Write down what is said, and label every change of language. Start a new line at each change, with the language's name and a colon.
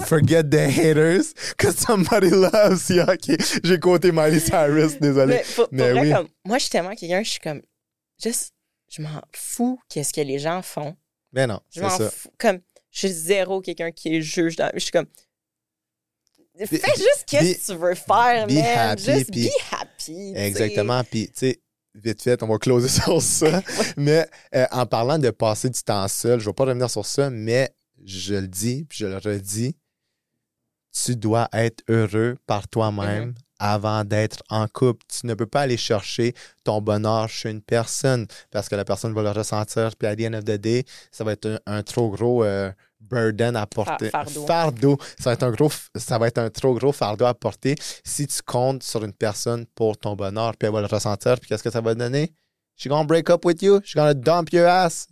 English: forget the haters, cause somebody loves you. Okay.
French: J'ai quoté Miley Cyrus, désolé. Mais vrai, oui. Comme, moi, je suis tellement quelqu'un, je suis comme, juste, je m'en fous qu'est-ce que les gens font. Ben non, je c'est m'en ça. Fous, comme, je suis zéro quelqu'un qui est juge dans, je suis comme, fais juste qu'est-ce que tu veux faire, man.
English: Happy, just be happy.
French: Exactement. Puis, tu sais, vite fait, on va closer sur ça. Mais en parlant de passer du temps seul, je ne vais pas revenir sur ça, mais je le dis puis je le redis, tu dois être heureux par toi-même avant d'être en couple. Tu ne peux pas aller chercher ton bonheur chez une personne parce que la personne va le ressentir. Puis à
English: the end of the day,
French: ça va être un trop gros... burden à porter. Fardeau. Ça va être un trop gros fardeau à porter si tu comptes sur une personne pour ton bonheur, puis elle va le ressentir, puis qu'est-ce que ça va donner?
English: She's gonna break up with you. She's gonna dump your ass.